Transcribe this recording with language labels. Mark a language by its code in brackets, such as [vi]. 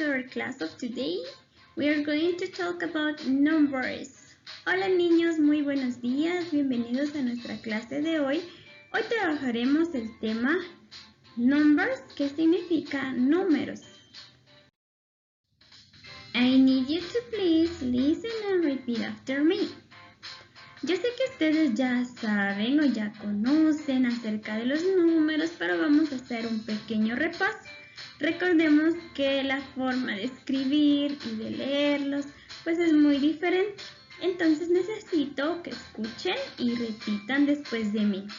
[en] class of today, we are going to talk about numbers. [es] Hola niños, muy buenos días, bienvenidos a nuestra clase de hoy. Hoy trabajaremos el tema numbers, que significa números. [en] I need you to please listen and repeat after me. [es] Yo sé que ustedes ya saben o ya conocen acerca de los números, pero vamos a hacer un pequeño repaso. Recordemos que la forma de escribir y de leerlos, pues es muy diferente. Entonces necesito que escuchen y repitan después de mí.